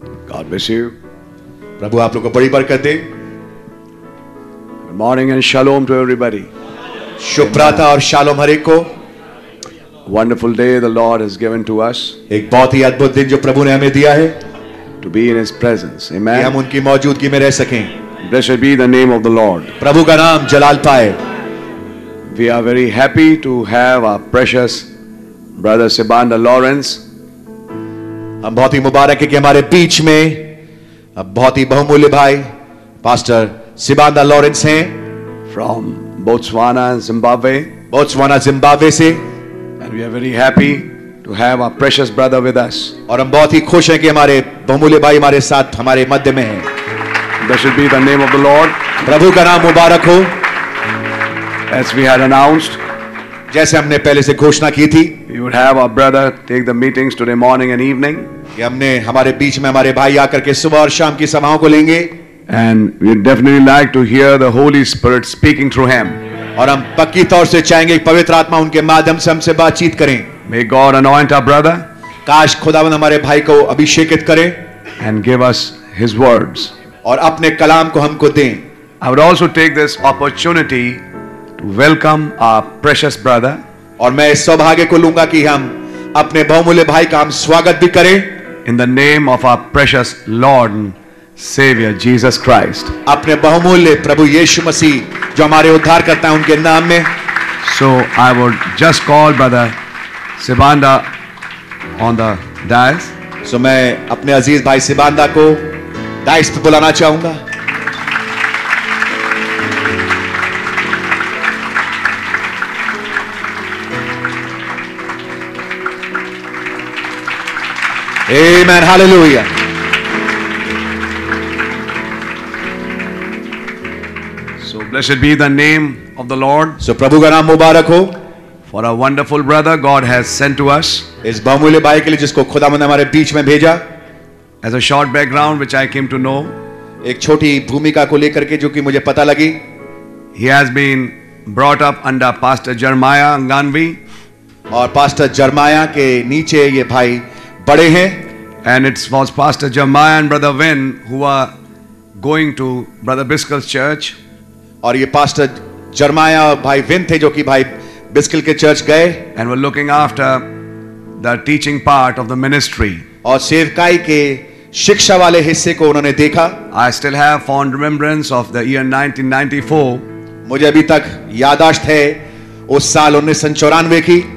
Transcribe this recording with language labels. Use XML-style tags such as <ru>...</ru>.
<en>God bless you</en> <hi>प्रभु आप लोग को बड़ी बरकत दे</hi> <en>good morning and shalom to everybody</en> <hi>शुभ प्रातः और शालोम हरेक को</hi> <en>Wonderful day the Lord has given to us.</en> <hi>एक बहुत ही अद्भुत दिन जो प्रभु ने हमें दिया है.</hi> <en>To be in His presence. Amen.</en> <hi>कि हम उनकी मौजूदगी में रह सकें.</hi> <en>Blessed be the name of the Lord.</en> <hi>प्रभु का नाम जलाल पाए.</hi> <en>We are very happy to have our precious brother Sibanda Lawrence.</en> <hi>हम बहुत ही मुबारक है कि हमारे बीच में अब बहुत ही बहुमूल्य भाई पास्टर Sibanda Lawrence हैं.</hi> <en>From Botswana, Zimbabwe.</en> <hi>Botswana, Zimbabwe से.</hi> <en>We are very happy to have our precious brother with us.</en> <hi>और हम बहुत ही खुश हैं कि हमारे बहुमूल्य भाई हमारे साथ हमारे मध्य में हैं.</hi> <en>Blessed be the name of the Lord.</en> <hi>प्रभु का नाम मुबारक हो.</hi> <en>As we had announced,</en> <hi>जैसे हमने पहले से घोषणा की थी,</hi> <en>we would have our brother take the meetings today morning and evening.</en> <hi>कि हमने हमारे बीच में हमारे भाई आकर के सुबह और शाम की सभाओं को लेंगे.</hi> <en>And we would definitely like to hear the Holy Spirit speaking through him.</en> <hi>और हम पक्की तौर से चाहेंगे पवित्र आत्मा उनके माध्यम से हमसे बातचीत करें</hi> <en>May God anoint our brother.</en> <hi>काश खुदावन हमारे भाई को अभिषेकित करें</hi> <en>And give us his words.</en> <hi>और अपने कलाम को हमको दें</hi> <en>I would also take this opportunity to welcome our precious brother.</en> <hi>और मैं इस सौभाग्य को लूंगा कि हम अपने बहुमूल्य भाई का हम स्वागत भी करें</hi> <en>In the name of our precious Lord Savior Jesus Christ.</en> <hi>अपने बहुमूल्य प्रभु यीशु मसीह जो हमारे उद्धार करता है उनके नाम में</hi> <en>So I would just call brother Sibanda on the dais.</en> <hi>So मैं अपने अजीज भाई Sibanda को dais पे बुलाना चाहूंगा Amen.</hi> <en>Hallelujah. Blessed be the name of the Lord.</en> <hi>So, प्रभु का नाम मुबारक हो.</hi> <en>For a wonderful brother, God has sent to us.</en> <hi>इस बहुमूल्य भाई के लिए जिसको खुदावंद ने हमारे बीच में भेजा.</hi> <en>As a short background, which I came to know.</en> <hi>एक छोटी भूमिका को लेकर के जो कि मुझे पता लगी.</hi> <en>He has been brought up under Pastor Jeremiah Nganvi.</en> <hi>और पास्टर जर्माया के नीचे ये भाई बड़े हैं.</hi> <en>And it was Pastor Jeremiah and Brother Vin who are going to Brother Biscuit's church.</en> <hi>और ये पास्टर जर्माया और भाई विन थे जो कि भाई बिस्किल के चर्च गए</hi> <en>and were looking after the teaching part of the ministry</en> <hi>और सेवकाई के शिक्षा वाले हिस्से को उन्होंने देखा</hi> <en>I still have fond remembrance of the year 1994</en> <hi>मुझे अभी तक याददाश्त है उस साल 1994 की</hi>